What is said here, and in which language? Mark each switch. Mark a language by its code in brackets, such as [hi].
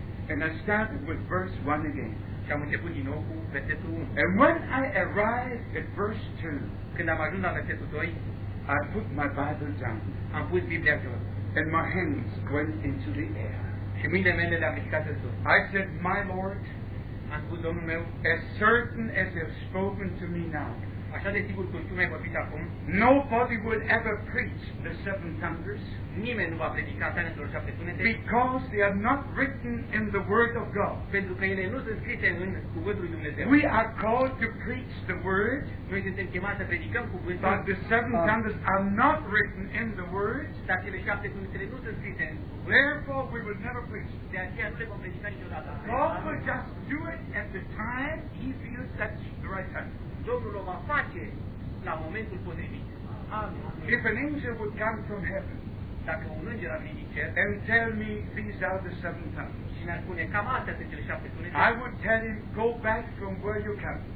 [en] and I started with verse 1 again. [ro] Și am început din nou cu versetul 1. [en] And when I arrived at verse 2, [ro] când am ajuns la versetul 2, [en] I put my Bible down. [ro] Am pus Biblia jos. [en] And my hands went into the air. [ro] Și mâinile mele le-am ridicat în sus. [en] I said, my Lord, [ro] am spus, Domnul meu, [en] as certain as you have spoken to me now, [ro] așa de sigur cum tu mi-ai vorbit acum, [en] nobody would ever preach the seven thunders. [ro] Nimeni nu va predica tainelor șapte tunete. [en] Because they are not written in the Word of God. [ro] Pentru că ele nu sunt scrise în cuvântul lui Dumnezeu. [en] We are called to preach the Word. [ro] Noi suntem chemați să predicăm cuvântul. [en] But the seven thunders are not written in the Word. [ro] Dar cele șapte tunete nu sunt scrise. [en] Therefore, we will never preach. [ro] De aceea nu le vom predica niciodată. [en] God will just do it at the time He feels that's the right time. [ro] Domnul o va face la momentul potrivit. [en] If an angel would come from heaven and tell me these are the seven tongues, I would tell him, go back from where you come.